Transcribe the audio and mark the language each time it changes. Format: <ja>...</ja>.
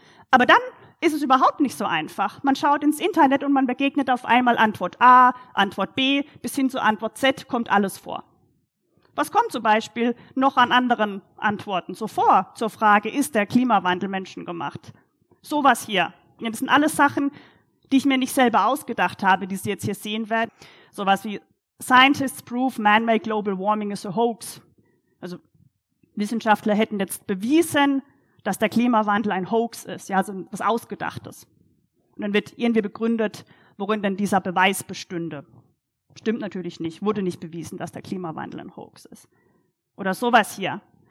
<de>Aber dann ist es überhaupt nicht so einfach. Man schaut ins Internet und man begegnet auf einmal Antwort A, Antwort B, bis hin zu Antwort Z, kommt alles vor. Was kommt zum Beispiel noch an anderen Antworten so vor zur Frage, ist der Klimawandel menschengemacht? Sowas hier. Das sind alles Sachen, die ich mir nicht selber ausgedacht habe, die Sie jetzt hier sehen werden. Sowas wie</de> <en>Scientists prove man-made global warming is a hoax.</en> <de>Also Wissenschaftler hätten jetzt bewiesen, dass der Klimawandel ein Hoax ist, ja, also was Ausgedachtes. Und dann wird irgendwie begründet, worin denn dieser Beweis bestünde. Stimmt natürlich nicht, wurde nicht bewiesen, dass der Klimawandel ein Hoax ist. Oder sowas hier.</de>